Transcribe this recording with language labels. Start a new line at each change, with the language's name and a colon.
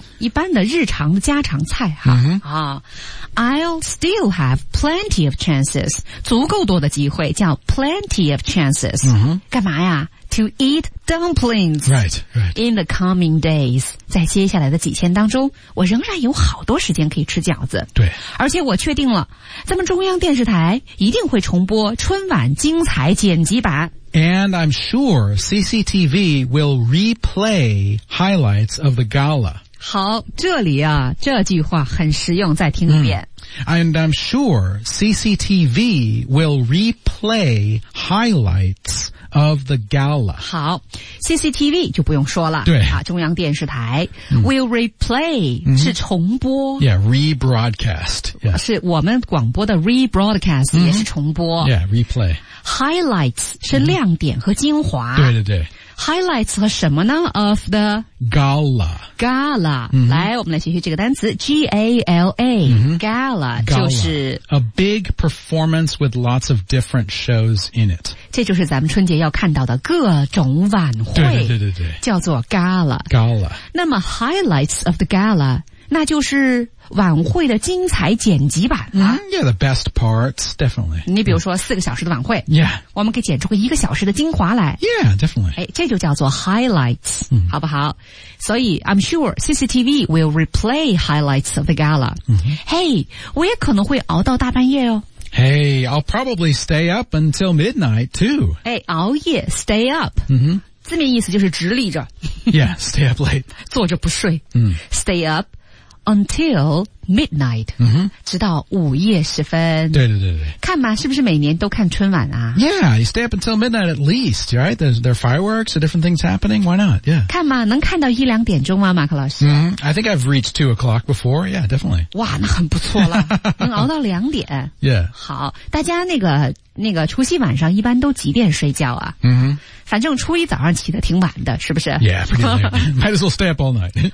Chinese: 一般的日常的家常菜哈、
English: I'll still have plenty of chances,
Chinese: 足够多的机会叫
English: plenty of chances,、 mm-hmm.
Chinese: 干嘛呀
English: ?to eat dumplings, right, right. in the coming days,
Chinese: 在接下来的几天当中我仍然有好多时间可以吃饺子。对。而且我确定了咱们中央电视台一定会重播春晚精彩剪辑版。
English: And I'm sure CCTV will replay highlights of the gala.
Chinese: 好，这里啊，这句话很实用，再听一遍。
English: And I'm sure CCTV will replay highlights of the gala.
Chinese: 好 ,CCTV 就不用说了。对。啊、中央电视台。
English: Will replay
Chinese: 是重播。
English: Yeah,rebroadcast.、Yeah.
Chinese: 是我们广播的 rebroadcast 也是重播。
English: Yeah,replay.
Chinese: Highlights 是亮点和精华。对对对。 Highlights 和什么呢 ?
English: of the gala.
Chinese: Gala.、来我们来学习这个单词 ,G-A-L-A,、gala, 就是
English: a big performance with lots of different shows in it.
Chinese: 这就是咱们春节要看到的各种晚会。对对对对对。叫做 gala。
English: Gala。
Chinese: 那么
English: highlights of the gala,
Chinese: 那就是晚会的精彩剪辑版啊、
English: Yeah, the best parts, definitely.
Chinese: 你比如说四个小时的晚会
English: Yeah.
Chinese: 我们可以剪出个一个小时的精华来
English: Yeah, definitely.
Chinese: 这就叫做 highlights,、好不好所以
English: I'm sure CCTV will replay highlights of the gala.、
Chinese: Hey, 我也可能会熬到大半夜哦。
English: Hey, I'll probably stay up until midnight too.
Chinese: 熬夜
English: stay up.、
Chinese: 字面意思就是直立着。
English: Yeah, stay up late.
Chinese: 坐着不睡。
English: Stay up. Until midnight,、
Chinese: 直到午夜时分。对对对对。看嘛，是不是每年都看春晚啊
English: ？Yeah, you stay up until midnight at least, right? There are fireworks, there are different things happening. Why not? Yeah.
Chinese: 看嘛，能看到一两点钟吗，马克老师？
English: I think I've reached 2 o'clock before. Yeah, definitely.
Chinese: 哇，那很不错了，能熬到两点。
English: Yeah.
Chinese: 好，大家那个除夕晚上一般都几点睡觉啊？反正初一早上起得挺晚的，是不是
English: ？Yeah, might as well stay up all night.